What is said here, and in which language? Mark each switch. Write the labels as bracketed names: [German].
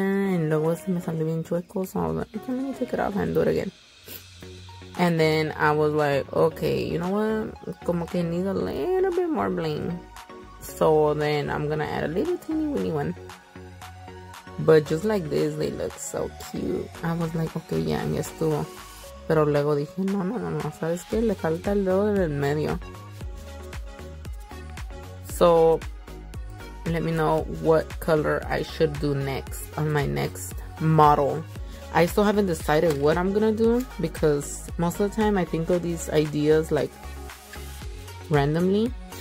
[English] And [Spanish] luego se me salió bien chueco, [English] so I was like, okay, let me take it off and do it again. And then I was like, okay, you know what? [Spanish] Como que [English] need a little bit more bling. So then I'm gonna add a little teeny weeny one. But just like this, they look so cute. I was like, okay, yeah, [Spanish] ya estuvo. Pero luego dije, no, [English] sabes que [Spanish] le falta el dedo del medio. [English] So let me know what color I should do next on my next model. I still haven't decided what I'm gonna do because most of the time I think of these ideas like randomly.